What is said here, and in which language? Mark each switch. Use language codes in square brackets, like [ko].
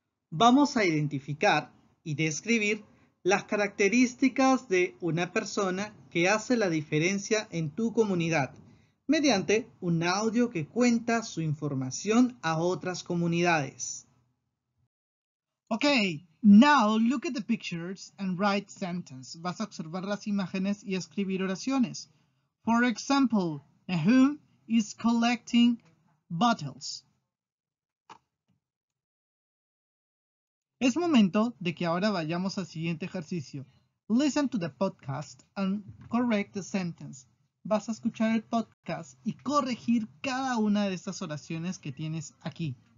[es] Vamos a identificar y describir las características de una persona que hace la diferencia en tu comunidad mediante un audio que cuenta su información a otras comunidades. [en] Okay, now look at the pictures and write sentences. [es] Vas a observar las imágenes y escribir oraciones. [en] For example, Nahum is collecting bottles. [es] Es momento de que ahora vayamos al siguiente ejercicio. [en] Listen to the podcast and correct the sentence. [es] Vas a escuchar el podcast y corregir cada una de estas oraciones que tienes aquí.